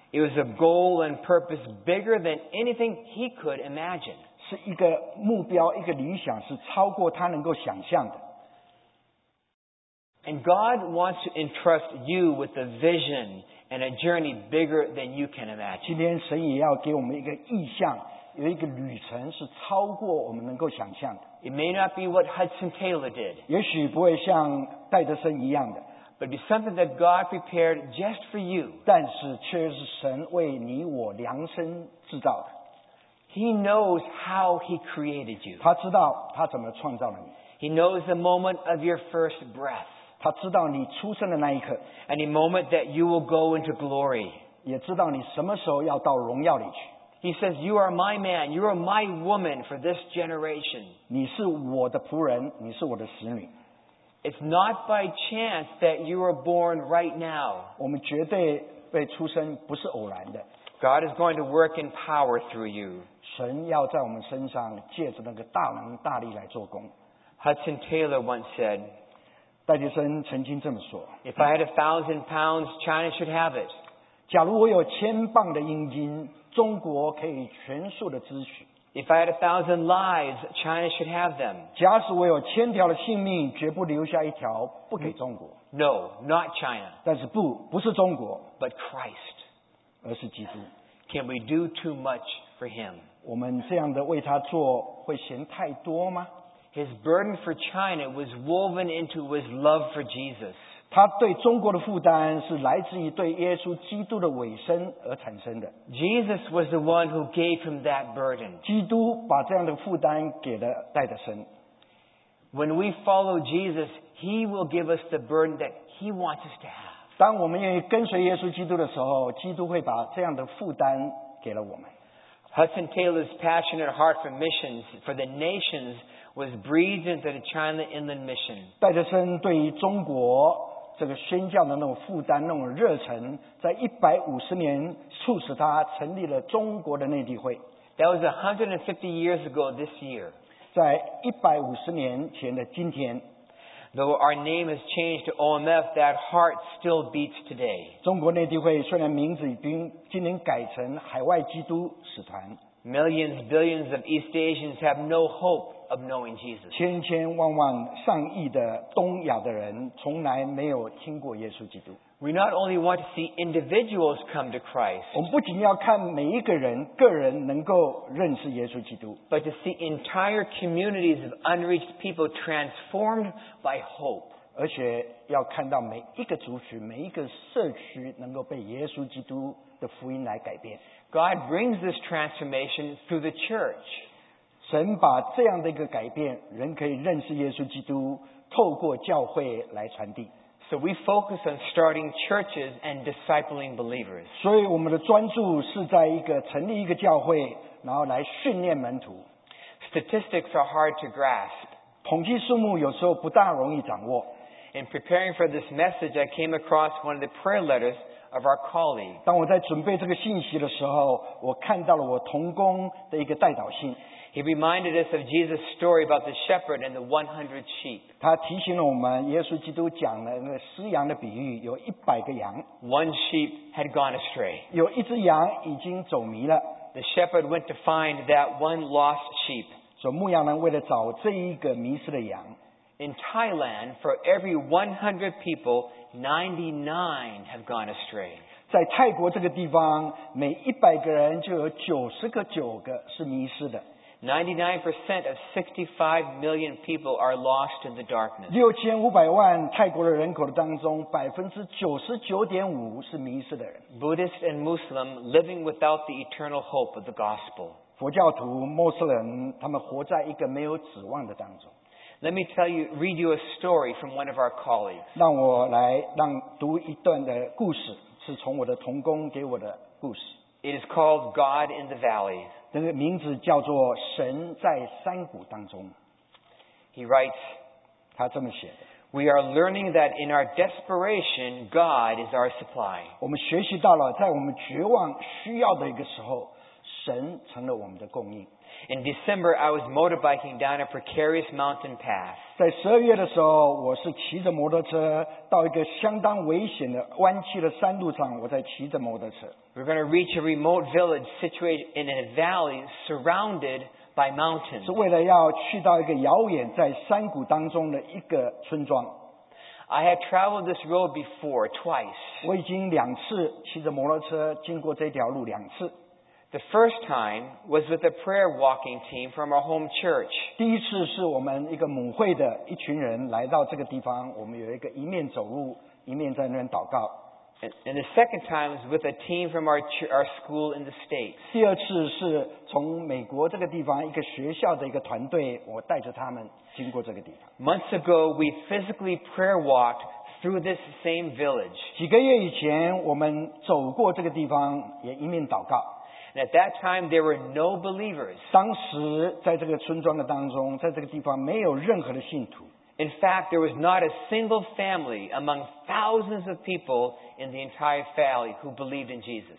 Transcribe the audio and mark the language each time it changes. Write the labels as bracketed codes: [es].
[en] It was a goal and purpose bigger than anything he could imagine. [zh] 是一个目标，一个理想，是超过他能够想象的。 [en] And God wants to entrust you with a vision and a journey bigger than you can imagine. [zh] 今天神也要给我们一个意象，有一个旅程是超过我们能够想象的。 [en] It may not be what Hudson Taylor did. [zh] 也许不会像戴德森一样的。 [en] But it's something that God prepared just for you. [zh] 但是却是神为你我量身制造的。 [en] He knows how He created you. [zh] 他知道他怎么创造了你。 [en] He knows the moment of your first breath. [zh] 他知道你出生的那一刻。 [en] And the moment that you will go into glory. [zh] 也知道你什么时候要到荣耀里去。 [en] He says, "You are my man. You are my woman for this generation." [zh] 你是我的仆人，你是我的使女。 [en] It's not by chance that you are born right now. [zh] 我们绝对被出生不是偶然的。 [en] God is going to work in power through you. [zh] 神要在我们身上借着那个大能大力来做工。 [en] Hudson Taylor once said, [zh] 戴德森曾经这么说。 [en] If I had 1,000 pounds, China should have it. [zh] 假如我有千磅的英金。中国可以全数的支取。 [en] If I had 1,000 lives, China should have them. [zh] 假使我有千条的性命，绝不留下一条不给中国。 [en] No, not China. [zh] 但是不是中国。 [en] But Christ. [zh] 而是基督。 [en] Can we do too much for Him? [zh] 我们这样的为他做，会嫌太多吗？ [en] His burden for China was woven into His love for Jesus. [zh] 他对中国的负担是来自于对耶稣基督的委身而产生的。 [en] Jesus was the one who gave him that burden. [zh] 基督把这样的负担给了戴德森。 [en] When we follow Jesus, He will give us the burden that He wants us to have. [zh] 当我们愿意跟随耶稣基督的时候，基督会把这样的负担给了我们。 [en] Hudson Taylor's passionate heart for missions, for the nations, was breathed into the China Inland Mission. [zh] 戴德森对于中国这个宣教的那种负担、那种热忱，在150年促使他成立了中国的内地会。 [en] That was 150 years ago this year. [zh] 在150年前的今天。 [en] Though our name has changed to OMF, that heart still beats today. [zh] 中国内地会虽然名字已经今年改成海外基督使团。 [en] Millions, billions of East Asians have no hope of knowing Jesus. [zh] 千千万万上亿的东亚的人从来没有听过耶稣基督。 [en] We not only want to see individuals come to Christ. [zh] 我们不仅要看每一个人个人能够认识耶稣基督。 [en] But to see entire communities of unreached people transformed by hope. [zh] 而且要看到每一个族群每一个社区能够被耶稣基督的福音来改变。 [en] God brings this transformation through the church. [zh] 神把这样的一个改变，人可以认识耶稣基督，透过教会来传递。 [en] So we focus on starting churches and discipling believers. [zh] 所以我们的专注是在一个成立一个教会，然后来训练门徒。 [en] Statistics are hard to grasp. [zh] 统计数目有时候不大容易掌握。 [en] In preparing for this message, I came across one of the prayer letters. Of our colleague. [zh] 当我在准备这个信息的时候，我看到了我同工的一个代祷信。 [en] He reminded us of Jesus' story about the shepherd and the 100 sheep. [zh] 他提醒了我们，耶稣基督讲了那个失羊的比喻，有100个羊。 [en] One sheep had gone astray. [zh] 有一只羊已经走迷了。 [en] The shepherd went to find that one lost sheep. [zh] 所以牧羊人为了找这一个迷失的羊。 [en] In Thailand, for every 100 people, 99 have gone astray. [zh] 在泰国这个地方，每100个人就有99个是迷失的。 [en] 99% of 65 million people are lost in the darkness. [zh] 6500万泰国的人口当中，99.5%是迷失的人。 [en] Buddhist and Muslim living without the eternal hope of the gospel. [zh] 佛教徒、穆斯林，他们活在一个没有指望的当中。 [en] Let me tell you, read you a story from one of our colleagues. [zh] 让我来让读一段的故事，是从我的同工给我的故事。 [en] It is called God in the Valley. [zh] 那个名字叫做神在山谷当中。 [en] He writes, [zh] 他这么写的。 [en] We are learning that in our desperation, God is our supply. [zh] 我们学习到了，在我们绝望需要的一个时候，神成了我们的供应。 [en] In December, I was motorbiking down a precarious mountain path. [zh] 在十二月的时候，我是骑着摩托车到一个相当危险的弯曲的山路上，我在骑着摩托车。 [en] We're going to reach a remote village situated in a valley surrounded by mountains. [zh] 是为了要去到一个遥远在山谷当中的一个村庄。 [en] I had traveled this road before twice. [zh] 我已经两次骑着摩托车经过这条路两次。 [en] The first time was with a prayer walking team from our home church. [zh] 第一次是我们一个母会的一群人来到这个地方，我们有一个一面走路，一面在那边祷告。 [en] And the second time was with a team from our school in the States. [zh] 第二次是从美国这个地方一个学校的一个团队，我带着他们经过这个地方。 [en] Months ago, we physically prayer walked through this same village. [zh] 几个月以前，我们走过这个地方，也一面祷告。 [en] And at that time, there were no believers. [zh] 当时在这个村庄的当中，在这个地方没有任何的信徒。 [en] In fact, there was not a single family among thousands of people in the entire valley who believed in Jesus.